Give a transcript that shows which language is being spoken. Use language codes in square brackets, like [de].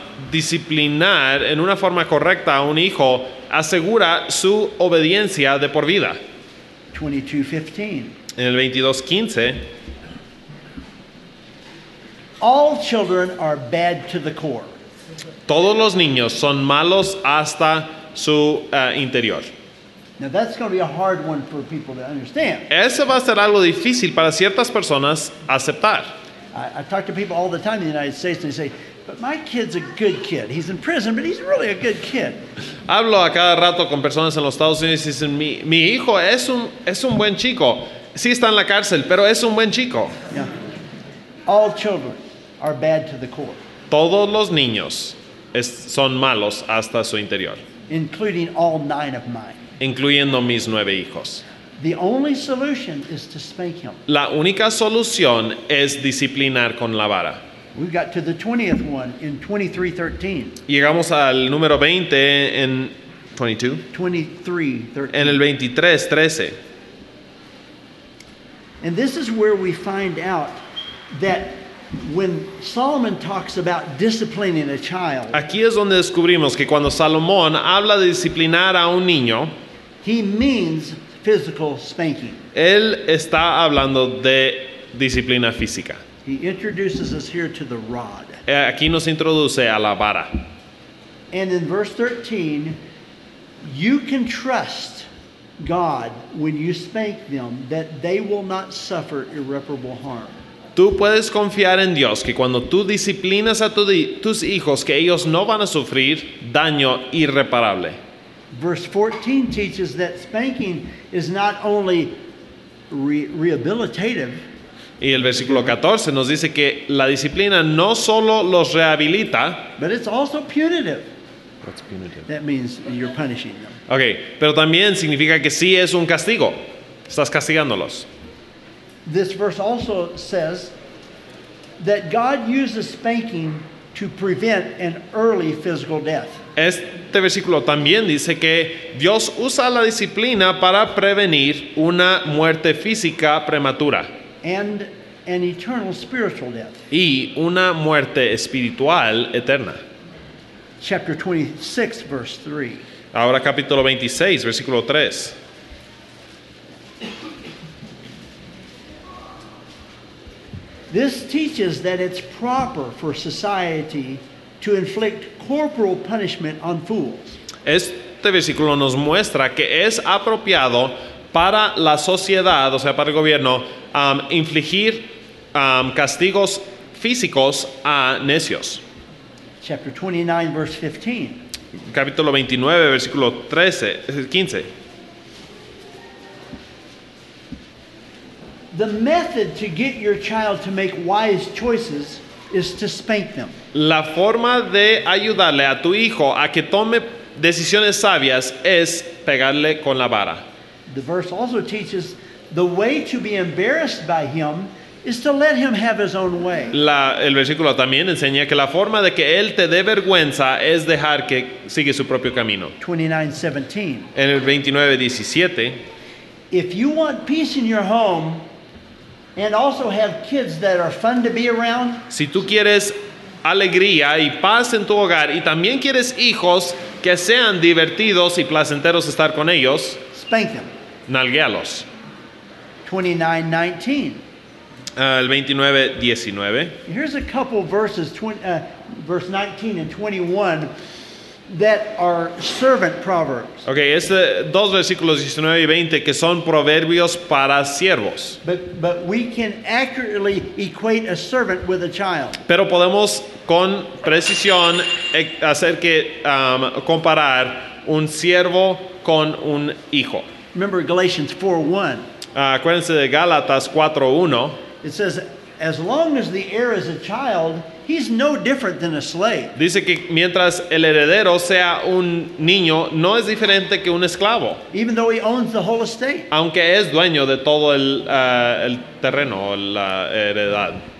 [es] Disciplinar en una forma correcta a un hijo asegura su obediencia de por vida. [en] 22:15. [es] En el 22:15. [en] All children are bad to the core. [es] Todos los niños son malos hasta su interior. [en] Now that's going to be a hard one for people to understand. [es] Eso va a ser algo difícil para ciertas personas aceptar. [en] I talk to people all the time in the United States and they say, but my kid's a good kid. He's in prison, but he's really a good kid. [es] Hablo a cada rato con personas en los Estados Unidos y dicen, mi hijo es un buen chico. Sí está en la cárcel, pero es un buen chico. [en] Yeah. All children are bad to the core. [es] Todos los niños son malos hasta su interior. [en] Including all nine of mine. [es] Incluyendo mis 9 hijos. [en] The only solution is to spank him. [es] La única solución es disciplinar con la vara. [en] We got to the 20th one in 23:13. [es] Llegamos al número 20 en 23:13. [en] And this is where we find out that when Solomon talks about disciplining a child, [es] aquí es donde descubrimos que cuando Salomón habla de disciplinar a un niño, [en] he means physical spanking. [es] Él está hablando de disciplina física. [en] He introduces us here to the rod. [es] Aquí nos introduce a la vara. [en] And in verse 13, you can trust God when you spank them that they will not suffer irreparable harm. [es] Tú puedes confiar en Dios que cuando tú disciplinas a tus hijos que ellos no van a sufrir daño irreparable. [en] Verse 14 teaches that spanking is not only rehabilitative. [es] Y el versículo 14 nos dice que la disciplina no solo los rehabilita, [en] but it's also punitive. What's punitive? That means you're punishing them. [es] Okay, pero también significa que sí es un castigo. Estás castigándolos. [en] This verse also says that God uses spanking to prevent an early physical death. [es] Este versículo también dice que Dios usa la disciplina para prevenir una muerte física prematura. [en] And an eternal spiritual death. [es] Y una muerte espiritual eterna. [en] Chapter 26, verse 3. [es] Ahora capítulo 26, versículo 3. [en] This teaches that it's proper for society to inflict corporal punishment on fools. [es] Este versículo nos muestra que es apropiado para la sociedad, o sea, para el gobierno, infligir castigos físicos a necios. [en] Chapter 29, verse 15. [es] Capítulo 29, versículo 15. [en] The method to get your child to make wise choices is to spank them. [es] La forma de ayudarle a tu hijo a que tome decisiones sabias es pegarle con la vara. [en] The verse also teaches the way to be embarrassed by him is to let him have his own way. [es] El versículo también enseña que la forma de que él te dé vergüenza es dejar que siga su propio camino. [en] 29:17. [es] En el 29:17. [en] If you want peace in your home, and also have kids that are fun to be around. [es] Si tú quieres alegría y paz en tu hogar y también quieres hijos que sean divertidos y placenteros estar con ellos. [en] Spank them. [es] Nalguéalos. [en] 29:19. [es] El 29:19. [en] Here's a couple of verses, verse 19 and 21, that are servant proverbs. [es] Okay, es dos versículos 19 y 20 que son proverbios para siervos. [en] But we can accurately equate a servant with a child. [es] Pero podemos con precisión hacer que comparar un siervo con un hijo. [en] Remember Galatians 4:1. [es] Acuérdense de Gálatas 4:1. [en] It says, as long as the heir is a child, he's no different than a slave. Dice que mientras el heredero sea un niño, no es diferente que un esclavo. Even though he owns the whole estate. [es] Aunque es dueño de todo el terreno, la heredad.